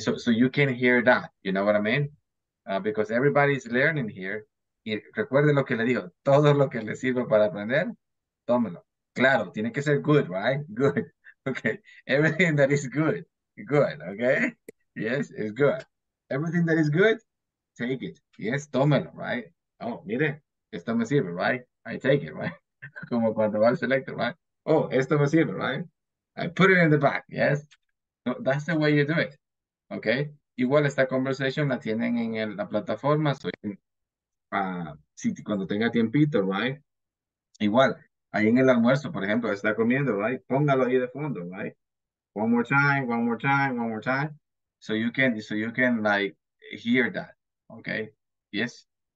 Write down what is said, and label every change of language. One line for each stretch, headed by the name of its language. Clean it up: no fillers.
English: So you can hear that, you know what I mean? Because everybody's learning here.
Spanish: Y recuerde lo que le digo, todo lo que le sirve para aprender, tómelo.
English: Claro, tiene que ser good, right? Good. Okay. Everything that is good, good. Okay. Yes, it's good. Everything that is good, take it. Yes, tómelo, right?
Spanish: Oh, mire, esto me sirve, right?
English: I take it,
Spanish: right? Como cuando va al selector, right?
English: Oh,
Spanish: esto me sirve,
English: right? I put it in the back, yes? No, that's the way you do it, okay?
Spanish: Igual esta conversación la tienen en la plataforma, so in, cuando tenga tiempito, right? Igual, ahí en el almuerzo, por ejemplo, está comiendo, right? Póngalo ahí de fondo,
English: right? One more time, one more time, one more time. So you can like, hear that, okay? Yes?